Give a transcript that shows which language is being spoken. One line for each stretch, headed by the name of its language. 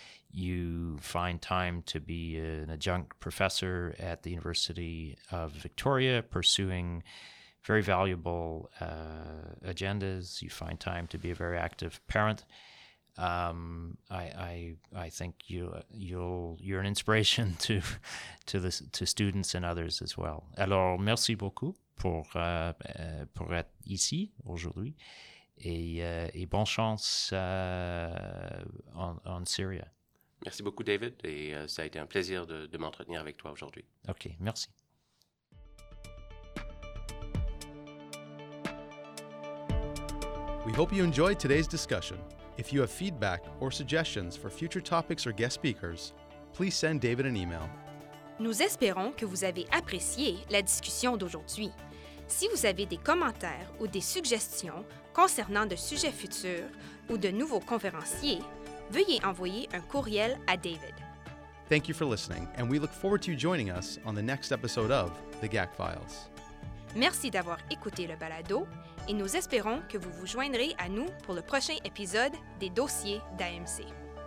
English: You find time to be an adjunct professor at the University of Victoria, pursuing very valuable agendas. You find time to be a very active parent. I think you're an inspiration to students and others as well.
French: Alors, merci beaucoup pour être ici aujourd'hui, et bonne chance en Syrie. Merci beaucoup, David, et ça a été un plaisir de m'entretenir avec toi aujourd'hui. OK, merci.
English: We hope you enjoyed today's discussion. If you have feedback or suggestions for future topics or guest speakers, please send David an email.
French: Nous espérons que vous avez apprécié la discussion d'aujourd'hui. Si vous avez des commentaires ou des suggestions concernant de sujets futurs ou de nouveaux conférenciers, veuillez envoyer un courriel à David.
English: Thank you for listening, and we look forward to you joining us on the next episode of The GAC Files.
French: Merci d'avoir écouté le balado, et nous espérons que vous vous joindrez à nous pour le prochain épisode des dossiers d'AMC.